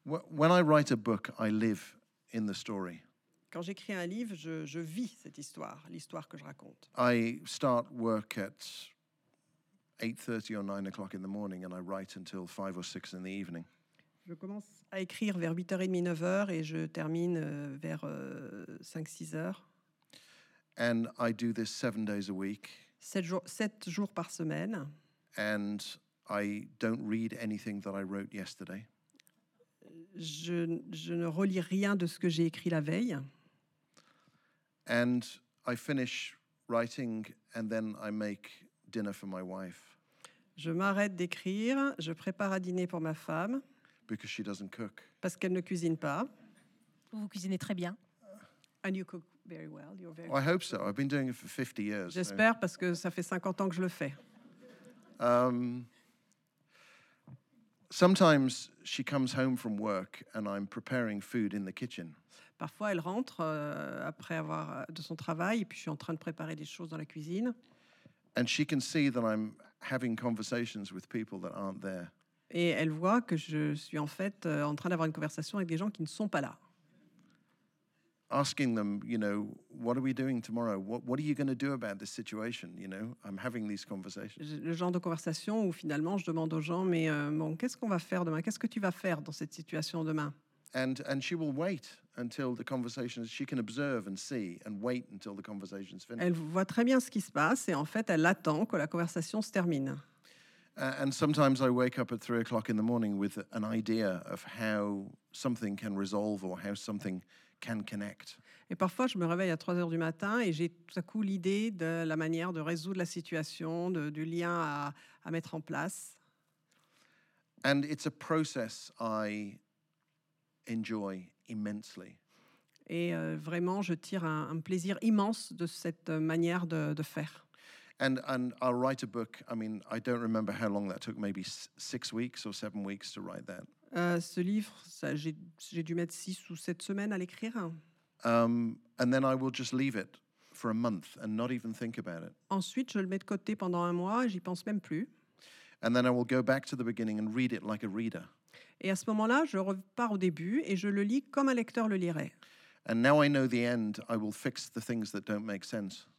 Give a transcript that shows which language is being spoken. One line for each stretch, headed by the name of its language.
English: When I write a book, I live in the story.
French: Quand j'écris un livre, je vis cette histoire, l'histoire que je raconte.
English: I start work at 8:30 or 9 o'clock in the morning and I write until 5 or 6 in the evening.
French: Je commence à écrire vers 8h30, 9h et je termine vers 5-6 heures.
English: And I do this 7 days a week.
French: 7 jours par semaine.
English: And I don't read anything that I wrote yesterday.
French: Je ne relis rien de ce que j'ai écrit la veille.
English: And I finish writing and then I make dinner for my wife.
French: Je m'arrête d'écrire, je prépare à dîner pour ma femme.
English: Because she doesn't cook.
French: Parce qu'elle ne cuisine pas. Vous cuisinez très bien.
English: And you cook very well. You're very. I hope so. I've been doing it for 50 years.
French: J'espère parce que ça fait 50 ans que je le fais.
English: Sometimes she comes home from work and I'm preparing food in the kitchen.
French: Parfois elle rentre après avoir de son travail et puis je suis en train de préparer des choses dans la cuisine.
English: And she can see that I'm having conversations with people that aren't there.
French: Et elle voit que je suis en fait en train d'avoir une conversation avec des gens qui ne sont pas là.
English: Asking them, you know, what are we doing tomorrow? What are you going to do about this situation? You know, I'm having these conversations.
French: Le genre de conversation où finalement je demande aux gens, mais bon, qu'est-ce qu'on va faire demain? Qu'est-ce que tu vas faire dans cette situation demain?
English: And she will wait until the conversation is, she can observe and see and wait until the conversation is finished.
French: Elle voit très bien ce qui se passe et en fait elle attend que la conversation se termine.
English: And sometimes I wake up at 3 o'clock in the morning with an idea of how something can resolve or how something can connect.
French: Et parfois je me réveille à 3 heures du matin et j'ai tout à coup l'idée de la manière de résoudre la situation, du lien à mettre en place.
English: And it's a process I enjoy immensely.
French: Et vraiment, je tire un plaisir immense de cette manière de faire.
English: And I'll write a book. I mean, I don't remember how long that took. Maybe 6 weeks or 7 weeks to write that.
French: Ce livre, ça, j'ai dû mettre 6 ou 7 semaines à l'écrire.
English: And then I will just leave it for a month and not even think about it.
French: Ensuite, je le mets de côté pendant un mois. J'y pense même plus.
English: And then I will go back to the beginning and read it like a reader.
French: Et à ce moment-là, je repars au début et je le lis comme un lecteur le lirait.
English: And now I know the end, I will fix the things that don't make sense.